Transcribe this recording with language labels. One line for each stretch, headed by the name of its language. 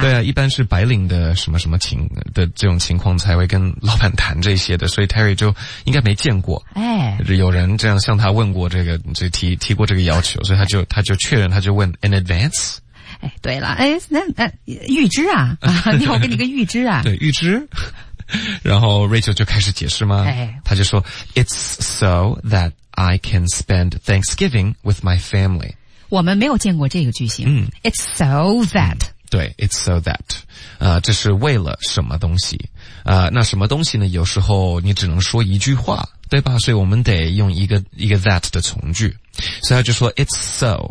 Chinese: 对啊，一般是白领的什么什么情的这种情况才会跟老板谈这些的，所以 Terry 就应该没见过，哎，有人这样向他问过这个，就提过这个要求，所以他就确认，他就问 in advance。哎，对了，哎，那预支啊，你好，给你个预支啊，对，预支。然后 Rachel 就开始解释吗？哎，他就说
English: It's so that I can spend Thanksgiving with my family.
Chinese: 我们没有见过这个句型。嗯，
English: It's so that.
Chinese: 嗯，对，
English: It's so that.
Chinese: 这是为了什么东西。那什么东西呢？有时候你只能说一句话，对吧？所以我们得用一个 that 的从句。所以他就说
English: It's so.